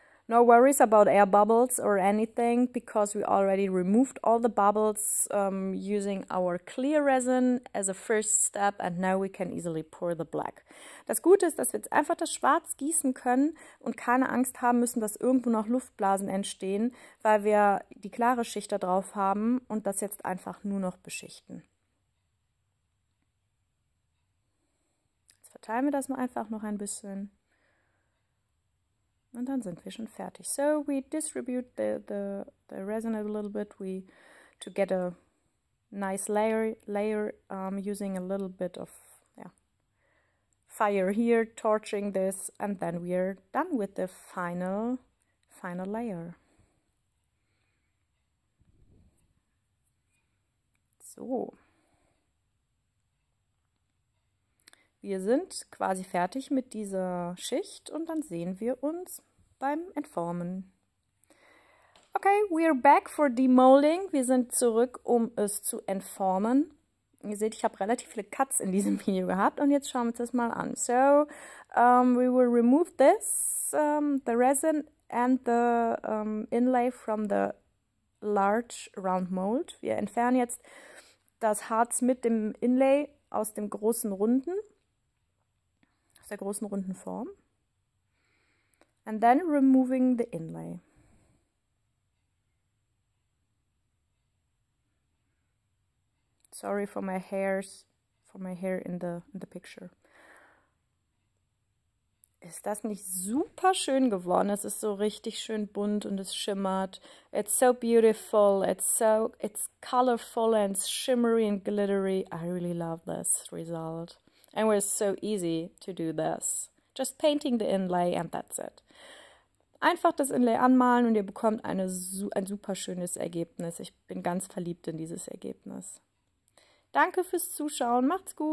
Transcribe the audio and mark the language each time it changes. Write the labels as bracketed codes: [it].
[en] No worries about air bubbles or anything, because we already removed all the bubbles using our clear resin as a first step, and now we can easily pour the black. [de] Das Gute ist, dass wir jetzt einfach das Schwarz gießen können und keine Angst haben müssen, dass irgendwo noch Luftblasen entstehen, weil wir die klare Schicht da drauf haben und das jetzt einfach nur noch beschichten. Jetzt verteilen wir das mal einfach noch ein bisschen. Und dann sind wir schon fertig. [en] So we distribute the resin a little bit. We to get a nice layer using a little bit of fire here, torching this, and then we are done with the final layer. So. [de] Wir sind quasi fertig mit dieser Schicht und dann sehen wir uns beim Entformen. [en] Okay, we're back for demolding. [de] Wir sind zurück, um es zu entformen. Ihr seht, ich habe relativ viele Cuts in diesem Video gehabt und jetzt schauen wir uns das mal an. [en] So, we will remove this, the resin and the inlay from the large round mold. [de] Wir entfernen jetzt das Harz mit dem Inlay aus dem großen Runden, aus der großen runden Form. [en] And then removing the inlay. Sorry for my hairs, for my hair in the picture. [de] Ist das nicht super schön geworden? Es ist so richtig schön bunt und es schimmert. [en] It's so beautiful. It's colorful and shimmery and glittery. I really love this result. And it was so easy to do this. Just painting the inlay and that's it. [de] Einfach das Inlay anmalen und ihr bekommt ein super schönes Ergebnis. Ich bin ganz verliebt in dieses Ergebnis. Danke fürs Zuschauen. Macht's gut.